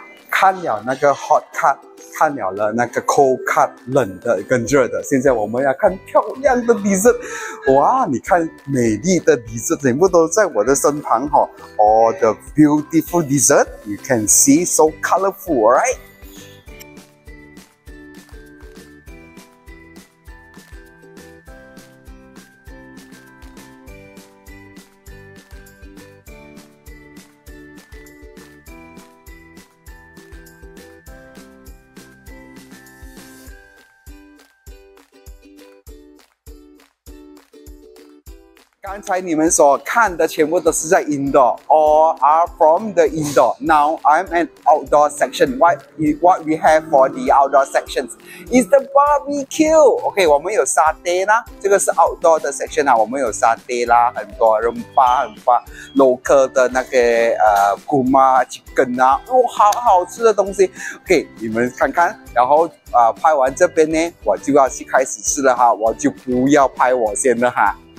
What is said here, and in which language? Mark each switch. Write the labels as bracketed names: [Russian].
[Chinese] 看了那个 hot cut，看了那个 cold cut，冷的跟热的。现在我们要看漂亮的 dessert， 哇！你看美丽的 dessert 全部都在我的身旁哈、哦。 [English] All the beautiful dessert you can see so colorful, right? [Chinese] 刚才你们所看的全部都是在 indoor， all are from the indoor。 [English] Now I'm an outdoor section。 What we have for the outdoor sections is the barbecue。 [Chinese] OK， 我们有沙爹啦，这个是 outdoor 的 section 啦，我们有沙爹啦，很多人巴很巴 local 的那个kuma chicken 啦、哦、好好吃的东西。 OK， 你们看看，然后拍完这边呢我就要去开始吃了哈，我就不要拍我先了哈。